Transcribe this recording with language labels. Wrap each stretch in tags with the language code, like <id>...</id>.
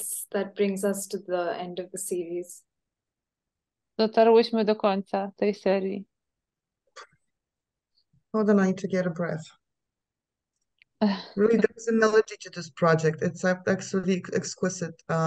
<en>That brings us to the end of the series.</en> <pl>Dotarłyśmy do końca tej serii.</pl> <en>Hold on, I need to get a breath. Really, there's a melody to this project. It's actually exquisite.</en>